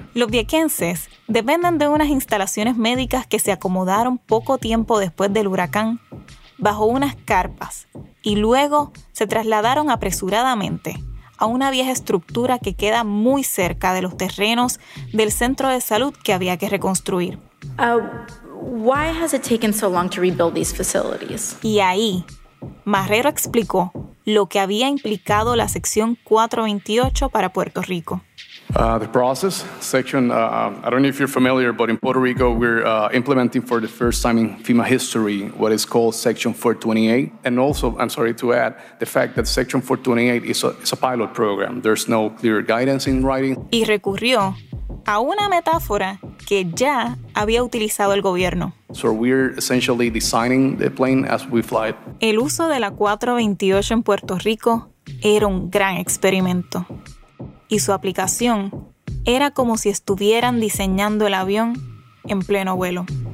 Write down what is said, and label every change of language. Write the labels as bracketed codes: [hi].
[es] Los viequenses dependen de unas instalaciones médicas que se acomodaron poco tiempo después del huracán bajo unas carpas y luego se trasladaron apresuradamente a una vieja estructura que queda muy cerca de los terrenos del centro de salud que había que reconstruir. [en] Why has it taken so long to rebuild these facilities? [es] Y ahí, Marrero explicó lo que había implicado la sección 428 para Puerto Rico. [en] The process section, I don't know if you're familiar, but in Puerto Rico, we're implementing for the first time in FEMA history what is called Section 428. And also, I'm sorry to add, the fact that Section 428 is a pilot program. There's no clear guidance in writing. [es] Y recurrió a una metáfora que ya había utilizado el gobierno. [en] So we're essentially designing the plane as we fly it. [es] El uso de la 428 en Puerto Rico era un gran experimento. Y su aplicación era como si estuvieran diseñando el avión en pleno vuelo.